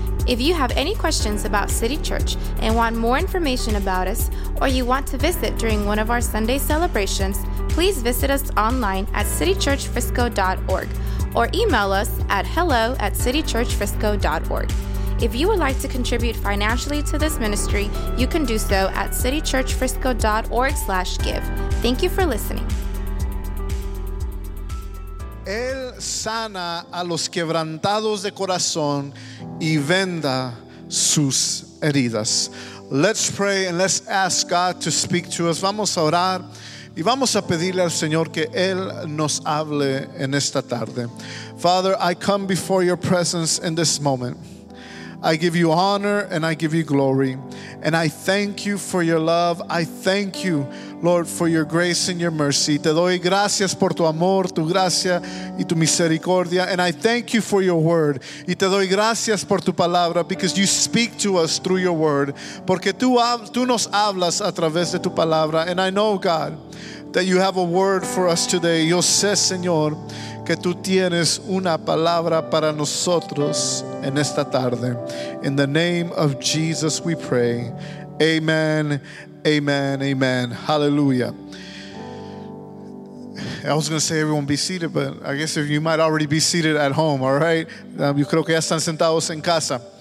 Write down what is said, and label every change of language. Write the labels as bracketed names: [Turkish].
[English] If you have any questions about City Church and want more information about us, or you want to visit during one of our Sunday celebrations, please visit us online at citychurchfrisco.org or email us at hello@citychurchfrisco.org. If you would like to contribute financially to this ministry, you can do so at citychurchfrisco.org/give. Thank you for listening. [Spanish] Él sana a los quebrantados de corazón y venda sus heridas. [English] Let's pray and let's ask God to speak to us. [Spanish] Vamos a orar y vamos a pedirle al Señor que Él nos hable en esta tarde. [English] Father, I come before your presence in this moment. I give you honor and I give you glory. And I thank you for your love. I thank you, Lord, for your grace and your mercy. [Spanish] Te doy gracias por tu amor, tu gracia y tu misericordia. [English] And I thank you for your word. [Spanish] Y te doy gracias por tu palabra, [English] because you speak to us through your word. [Spanish] Porque tú nos hablas a través de tu palabra. [English] And I know, God, that you have a word for us today. [Spanish] Yo sé, Señor, que tú tienes una palabra para nosotros en esta tarde. [English] In the name of Jesus we pray. Amen, amen, amen. Hallelujah. I was going to say everyone be seated, but I guess you might already be seated at home, all right? [Spanish] Yo creo que ya están sentados en casa.